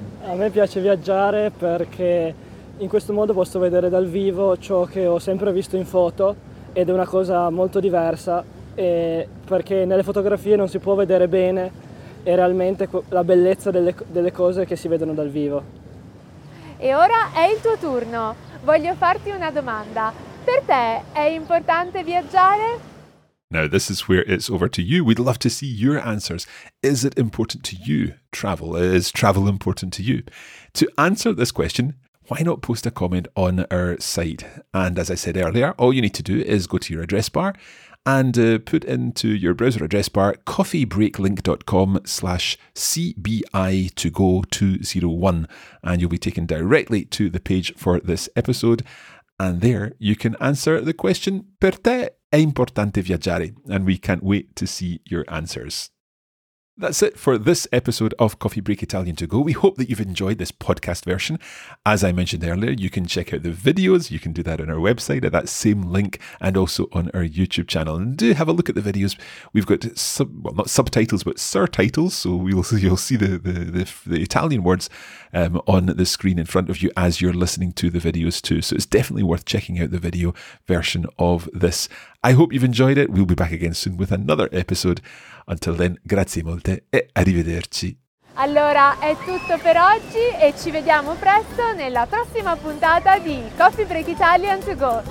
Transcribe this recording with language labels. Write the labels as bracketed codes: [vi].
[it] A me piace viaggiare perché in questo modo posso vedere dal vivo ciò che ho sempre visto in foto ed è una cosa molto diversa. E perché nelle fotografie non si può vedere bene e realmente la bellezza delle cose che si vedono dal vivo. E ora è il tuo turno. Voglio farti una domanda. Per te è importante viaggiare? [en] Now this is where it's over to you. We'd love to see your answers. Is it important to you, travel? Is travel important to you? To answer this question, why not post a comment on our site? And as I said earlier, all you need to do is go to your address bar and put into your browser address bar coffeebreaklink.com/CBI2Go201 and you'll be taken directly to the page for this episode. And there you can answer the question, [it] per te è importante viaggiare? [en] And we can't wait to see your answers. That's it for this episode of Coffee Break Italian to Go. We hope that you've enjoyed this podcast version. As I mentioned earlier, you can check out the videos. You can do that on our website at that same link and also on our YouTube channel. And do have a look at the videos. We've got, surtitles, so you'll see the Italian words on the screen in front of you as you're listening to the videos too. So it's definitely worth checking out the video version of this. I hope you've enjoyed it. We'll be back again soon with another episode. Until then, [it] grazie molte e arrivederci. Allora, è tutto per oggi e ci vediamo presto nella prossima puntata di Coffee Break Italian to Go.